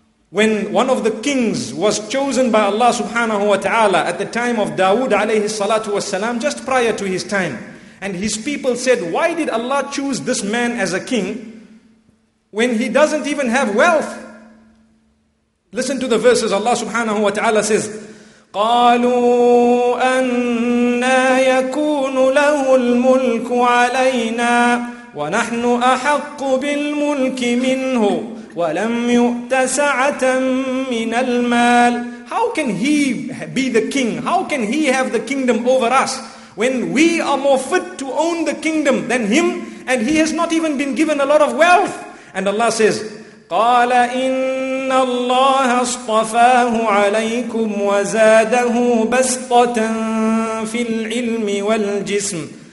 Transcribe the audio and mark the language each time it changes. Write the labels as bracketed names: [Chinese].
[English] When one of the kings was chosen by Allah subhanahu wa ta'ala at the time of Dawood alayhi salatu wa salam, just prior to his time, and his people said, why did Allah choose this man as a king when he doesn't even have wealth? Listen to the verses. Allah subhanahu wa ta'ala says, [Arabic] قالوا أنى يكون له الملك علينا ونحن أحق بالملك منه ولم يؤت سعة من المال. [English] How can he be the king? How can he have the kingdom over us when we are more fit to own the kingdom than him, and he has not even been given a lot of wealth? And Allah says, [Arabic] قَالَ إِنَّ اللَّهَ اصْطَفَاهُ عَلَيْكُمْ وَزَادَهُ بَسْطَةً فِي الْعِلْمِ وَالْجِسْمِ.